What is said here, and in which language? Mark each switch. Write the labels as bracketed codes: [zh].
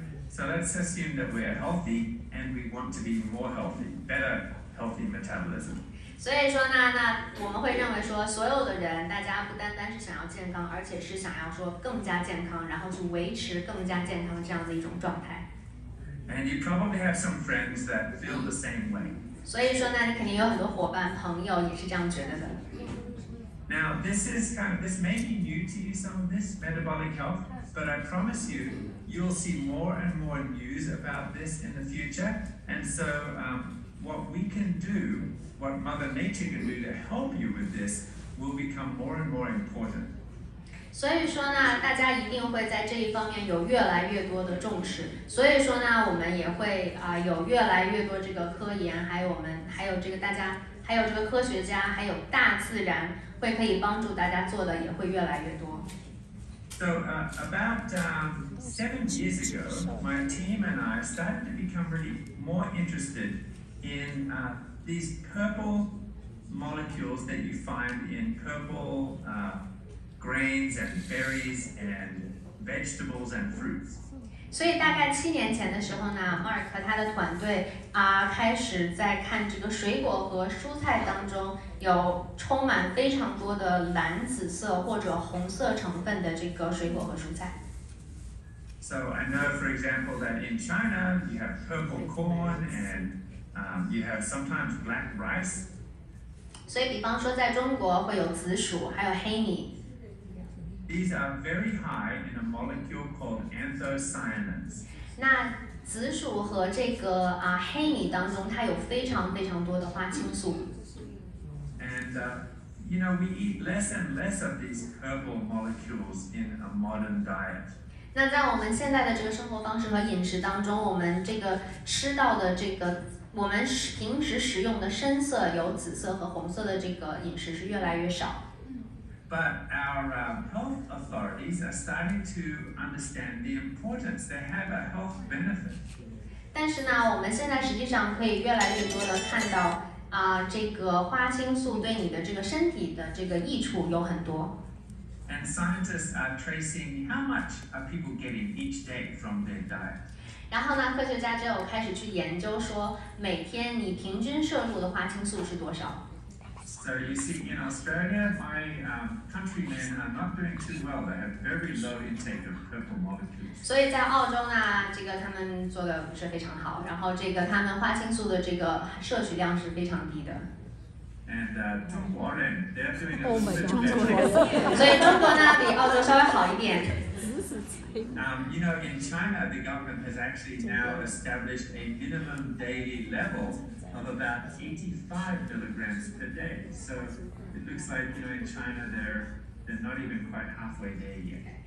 [en] So let's assume that we are healthy and we want to be more healthy, better healthy metabolism. [zh] 所以说呢，那我们会认为说，所有的人，大家不单单是想要健康，而且是想要说更加健康，然后去维持更加健康这样的一种状态。 [en] And you probably have some friends that feel the same way. [zh] 所以说呢，你肯定有很多伙伴朋友也是这样觉得的。 [en] Now this is kind of, this may be new to you, some of this metabolic health, but I promise you. You'll see more and more news about this in the future. And so, what we can do, what Mother Nature can do to help you with this, will become more and more important. [zh] 所以说呢，大家一定会在这一方面有越来越多的重视。所以说呢，我们也会有越来越多这个科研，还有我们，还有这个大家，还有这个科学家，还有大自然会可以帮助大家做的也会越来越多。 [en] So, about 7 years ago, my team and I started to become really more interested in these purple molecules that you find in purple grains and berries and vegetables and fruits. [zh] 所以大概七年前的时候呢 ，Mark 和他的团队啊开始在看这个水果和蔬菜当中有充满非常多的蓝紫色或者红色成分的这个水果和蔬菜。 [en] So I know, for example, that in China you have purple corn and you have sometimes black rice. [zh] 所以比方说在中国会有紫薯，还有黑米。 [en] These are very high in a molecule called anthocyanins. [zh] 那紫薯和这个黑米当中，它有非常非常多的花青素。 [en] And you know, we eat less and less of these herbal molecules in a modern diet. [zh] 那在我们现在的这个生活方式和饮食当中，我们这个吃到的这个，我们平时食用的深色有紫色和红色的这个饮食是越来越少。 [en] But our health authorities are starting to understand the importance. They have a health benefit. [zh] 但是呢，我们现在实际上可以越来越多的看到这个花青素对你的这个身体的这个益处有很多。 [en] And scientists are tracing how much are people getting each day from their diet. [zh] 然后呢，科学家就开始去研究说，每天你平均摄入的花青素是多少。 [en] So you see, in Australia, my countrymen are not doing too well. They have very low intake of purple molecules. [zh] 所以在澳洲呢，这个他们做的不是非常好，然后这个他们花青素的这个摄取量是非常低的。 [en] And Tom Warren, they're doing a little bit better. [zh] 所以中国呢比澳洲稍微好一点。 [en] You know, in China, the government has actually now established a minimum daily level of about 85 milligrams per day. So it looks like, you know, in China, they're not even quite halfway there yet.